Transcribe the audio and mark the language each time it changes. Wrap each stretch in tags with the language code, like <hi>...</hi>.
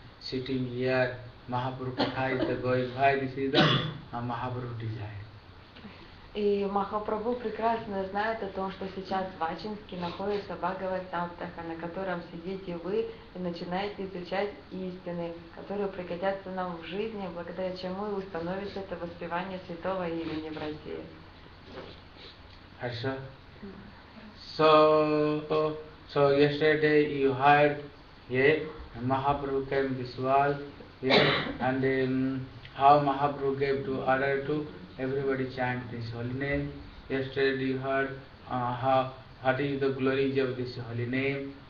<en>Sitting here, Mahaprabhu Katha is going, why this is the Mahaprabhu desire.</en> <ru>И Махапрабху прекрасно знает о том, что сейчас в Ачинске находится Бхагавад-саттаха, на котором сидите вы и начинаете изучать истины, которые пригодятся нам в жизни, благодаря чему и установится это воспевание святого имени в России. Хорошо.</ru> <en>So yesterday you heard, yeah, Mahaprabhu came this world, yeah, and how Mahaprabhu gave to order to everybody chant this holy name. Yesterday you heard what is the glories of this holy name.</en>